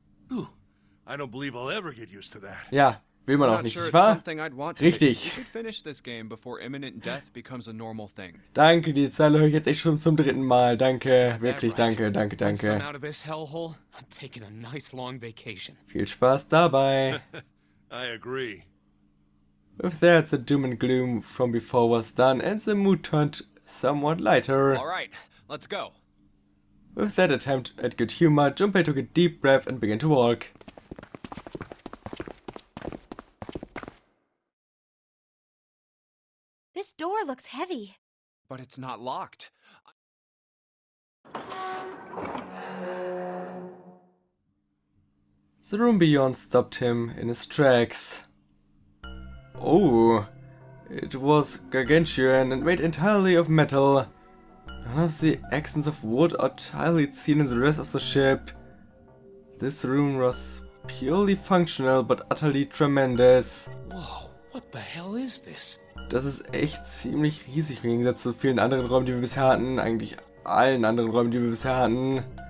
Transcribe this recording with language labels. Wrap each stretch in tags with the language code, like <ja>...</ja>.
<en>I don't believe I'll ever get used to that.</en> <de>Ja, will man auch nicht,</de> <en>sure,</en> <de>nicht wahr?</de> <en>Something I'd want to</en> <de>Richtig.</de> <en>You should finish this game before imminent death becomes a normal thing.</en> <de>Danke, die Zeile höre ich jetzt echt schon zum dritten Mal. Danke, wirklich, danke,</de> <en>right.</en> <de>Danke, danke.</de> <en>Once I'm out of this hellhole, I'm taking a nice long vacation.</en> <de>Viel Spaß dabei.</de> <en>I agree. With that, the doom and gloom from before was done and the mood turned somewhat lighter. All right, let's go. With that attempt at good humor, Junpei took a deep breath and began to walk. This door looks heavy. But it's not locked. The room beyond stopped him in his tracks. Oh, it was gargantuan and made entirely of metal. None of the accents of wood are entirely seen in the rest of the ship. This room was purely functional but utterly tremendous. Whoa, what the hell is this?</en> <de>Das ist echt ziemlich riesig im Gegensatz zu vielen anderen Räumen, die wir bisher hatten. Eigentlich allen anderen Räumen, die wir bisher hatten.</de>